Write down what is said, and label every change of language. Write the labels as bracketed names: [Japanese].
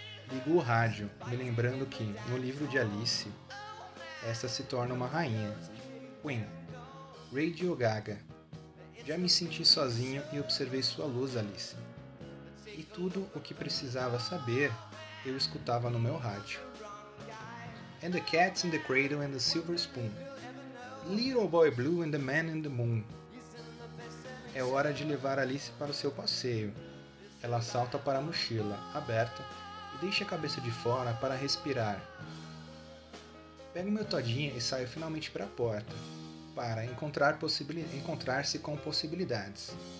[Portuguese] Ligou o rádio, me lembrando que, no livro de Alice, essa se torna uma rainha. Queen. Radio Gaga. Já me senti sozinho e observei sua luz, Alice. E tudo o que precisava saber, eu escutava no meu rádio. [English] And the Cats in the Cradle and the Silver Spoon. Little Boy Blue and the Man in the Moon. [Portuguese] É hora de levar Alice para o seu passeio. Ela salta para a mochila, aberta, e deixa a cabeça de fora para respirar. Pego meu todinho e saio finalmente para a porta, para encontrar-se com possibilidades.